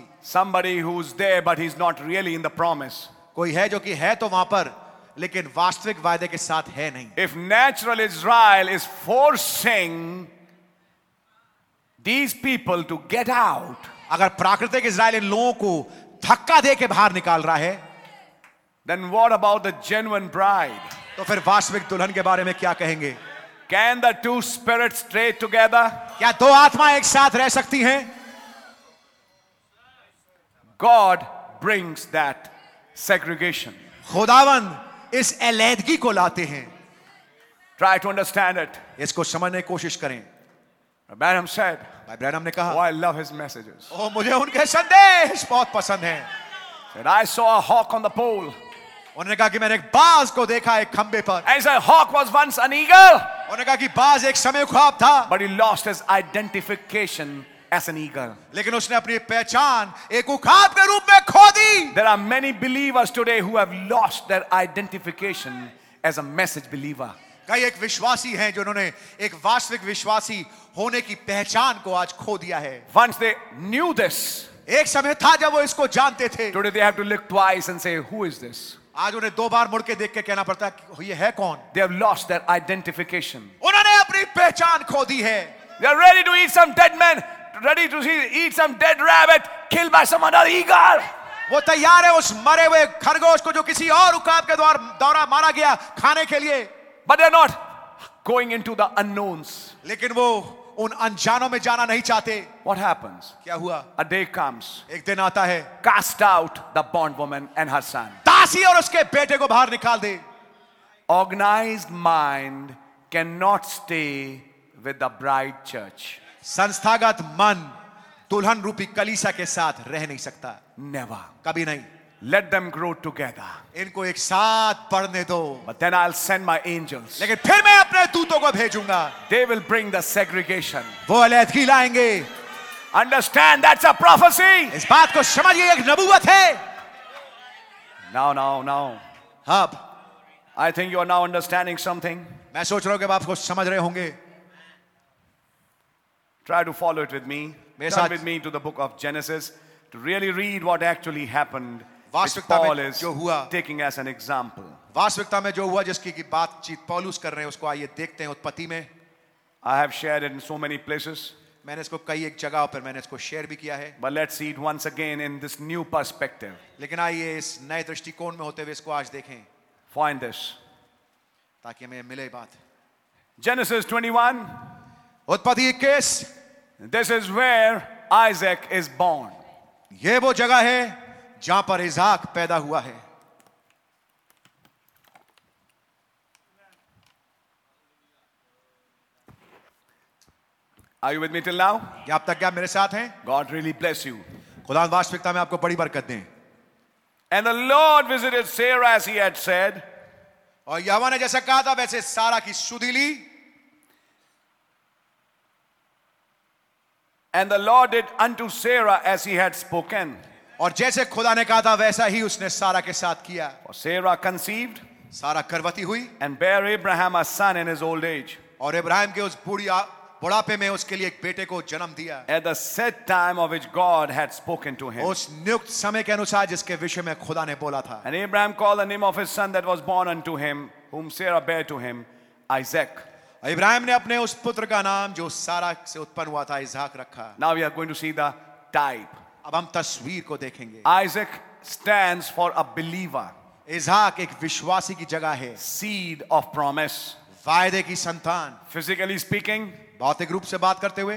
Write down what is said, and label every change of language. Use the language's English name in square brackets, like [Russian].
[English] Somebody who's there but he's not really in the promise. If natural Israel is forcing these people to get out, [Hindi] अगर प्राकृतिक Israel इन लोगों को धक्का दे के बाहर निकाल रहा है, [English] then what about the genuine bride? [Hindi] तो फिर वास्तविक दुल्हन के बारे में क्या कहेंगे? [English] Can the two spirits stay together? [Hindi] क्या दो आत्मा एक साथ रह सकती हैं? [English] God brings that segregation. [Hindi] खुदावन इस अलैदगी को लाते हैं. [English] Try to understand it. [Hindi] इसको समझने की कोशिश करें. [English] Abraham said. [Hindi] भाई ब्रैनम ने कहा. [English] Oh, I love his messages. [Hindi] ओ मुझे उनके संदेश बहुत पसंद हैं. [English] And I saw a hawk on the pole. [Hindi] उन्होंने कहा कि मैंने एक बाज को देखा एक खंबे पर. [English] As a hawk was once an eagle. [Hindi] उन्होंने कहा कि बाज एक समय ख्वाब था. [English] But he lost his identification as an eagle. [Hindi] लेकिन उसने अपनी पहचान एक उखाब के रूप में खो दी. [English] There are many believers today who have lost their identification as a message believer. [Hindi] कई एक विश्वासी हैं जिन्होंने एक वास्तविक विश्वासी होने की पहचान को आज खो दिया है. [English] Once they knew this. [Hindi] एक समय था जब वो इसको जानते थे. [English] Today they have to look twice and say, who is this? [Hindi] आज उन्हें दो बार मुड़के देख के कहना पड़ता है ये है कौन? [English] They have lost their identification. [Hindi] उन्होंने अपनी पहचान खो दी है. [English] They are ready to eat some dead man, ready to eat some dead rabbit killed by some other eagle. [Hindi] वो तैयार है उस मरे हुए खरगोश को जो किसी और उकाब के द्वारा मारा गया खाने के लिए. [English] But they are not going into the unknowns. [Hindi] लेकिन वो उन अनजानों में जाना नहीं चाहते. [English] What happens? [Hindi] क्या हुआ? [English] A day comes. [Hindi] एक दिन आता है. [English] Cast out the bond woman and her son. [Hindi] दासी और उसके बेटे को बाहर निकाल दे. [English] Organized mind cannot stay with the bride church. [Hindi] संस्थागत मन दुल्हन रूपी कलीसा के साथ रह नहीं सकता. [English] Never. [Hindi] कभी नहीं. [English] Let them grow together. [Hindi] इनको एक साथ पढ़ने दो. [English] But then I'll send my angels. [Hindi] लेकिन फिर मैं अपने दूतों को भेजूंगा. [English] They will bring the segregation. [Hindi] वो अलैदगी लाएंगे. [English] Understand, that's a prophecy. [Hindi] इस बात को समझिए एक नबूवत है. [English] Now. [Hindi] अब. [English] I think you are now understanding something. [Hindi] मैं सोच रहा हूं कि आप इसको समझ रहे होंगे. [English] Try to follow it with me. Come with me to the book of Genesis to really read what actually happened. [Hindi] वास्तविकता में जो हुआ जिसकी बातचीत पॉलूस कर रहे हैं उसको आइए देखते हैं उत्पत्ति में. [English] I have shared it in so many places. [Hindi] मैंने इसको कई एक जगह पर मैंने इसको शेयर भी किया है. [English] But let's see it once again in this new perspective. [Hindi] लेकिन आइए इस नए दृष्टिकोण में होते हुए इसको आज देखें. [English] Find this. [Hindi] ताकि हमें मिले बात. [English] Genesis 21. [Hindi] उत्पत्ति 21. [English] This is where Isaac is born. [Hindi] ये वो जगह है जहां पर इज़ाक पैदा हुआ है. [English] Are you with me till now? [Hindi] क्या अब तक क्या मेरे साथ हैं? [English] God really bless you. [Hindi] खुदा वास्तविकता में आपको बड़ी बरकत दें. [English] And the Lord visited Sarah as he had said. [Hindi] और यहोवा ने जैसा कहा था वैसे सारा की सुधि ली. [English] And the Lord did unto Sarah as he had spoken. [Hindi] और जैसे खुदा ने कहा था वैसा ही उसने सारा के साथ किया. [English] For Sarah conceived. [Hindi] सारा गर्भवती हुई. [English] And bare Abraham a son in his old age. [Hindi] और इब्राहिम के उस बुढ़ापे में उसके लिए एक बेटे को जन्म दिया. [English] At the set time of which God had spoken to him. [Hindi] उस नियुक्त समय के अनुसार जिसके विषय में खुदा ने बोला था. [English] And Abraham called the name of his son that was born unto him, whom Sarah bare to him, Isaac. [Hindi] Ibrahim ने अपने उस पुत्र का नाम जो सारा से उत्पन्न हुआ था इसहाक रखा. [English] Now we are going to see the type. [Hindi] अब हम तस्वीर को देखेंगे. [English] Isaac stands for a believer. [Hindi] इसहाक एक विश्वासी की जगह है. [English] Seed of promise. [Hindi] वायदे की संतान. [English] Physically speaking, [Hindi] भौतिक रूप से बात करते हुए,